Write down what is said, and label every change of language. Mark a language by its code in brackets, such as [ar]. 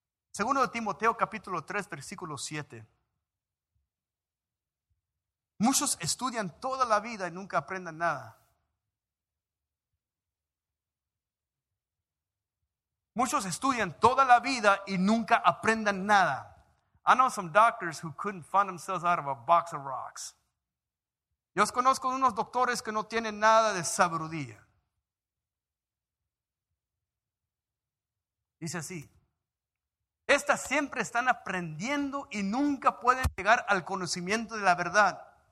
[es] Segundo de Timoteo capítulo 3, versículo 7. Muchos estudian toda la vida y nunca aprenden nada. Muchos estudian toda la vida y nunca aprenden nada. [en] I know some doctors who couldn't find themselves out of a box of rocks. [es] Yo conozco unos doctores que no tienen nada de sabiduría. Dice así. Estas siempre están aprendiendo y nunca pueden llegar al conocimiento de la verdad.